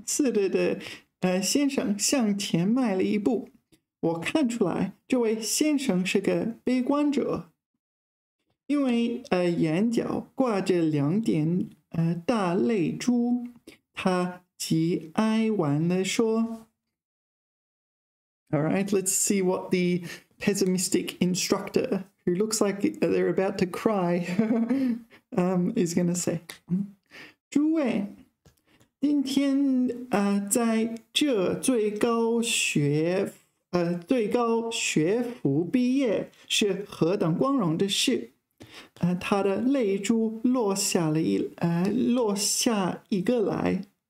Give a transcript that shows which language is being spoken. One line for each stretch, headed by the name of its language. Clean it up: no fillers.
Chinese: 是的，先生向前迈了一步。我看出来这位先生是个悲观者。因为, 眼角挂着两点, 大泪珠, 他极哀婉地说。
English: Alright, let's see what the pessimistic instructor, who looks like they're about to cry, is going to say.
Chinese: 诸位, 今天, 在这最高学, 最高学府毕业, 是何等光荣的事, 他的泪珠落下了一, 落下一个来。